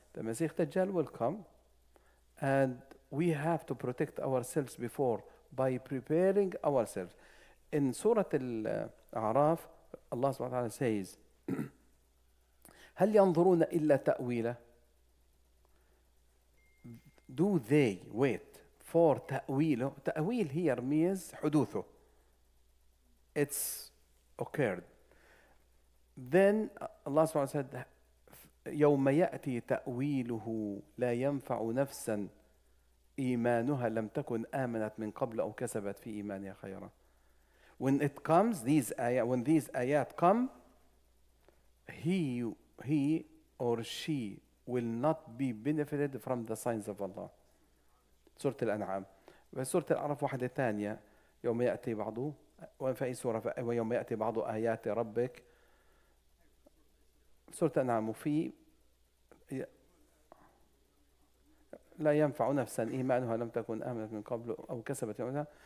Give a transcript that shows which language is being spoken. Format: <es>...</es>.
<en>The Messiah Dajjal will come, and we have to protect ourselves before by preparing ourselves. In Surah Al-A'raf, Allah subhanahu wa ta'ala says,</en> <ar>هَلْ يَنْظُرُونَ إِلَّا تَأْوِيلَهُ.</ar> <en>Do they wait for تَأْوِيلُ. تَأْوِيل here means حُدُوثُ. It's occurred. Then Allah subhanahu wa ta'ala said,</en> <ar>يَوْمَ يَأْتِي تَأْوِيلُهُ لَا يَنْفَعُ نَفْسًا إِيمَانُهَا لَمْ تَكُنْ آمَنَتْ مِنْ قَبْلَ أَوْ كَسَبَتْ فِي إِيمَانِهَا خَيْرًا.</ar> <en>When it comes, when these ayat come, he or she will not be benefited from the signs of Allah. Surah Al-An'am.</en> <ar>Surah Al-A'raf, واحدة ثانية. يوم يأتي بعضه. وفي سورة ويوم يأتي بعض آيات ربك.</ar> <en>Surah Al-An'am.</en> <ar>وفي لا ينفع نفسا إيمانها لم تكن آمنت من قبل أو كسبت يومها.</ar>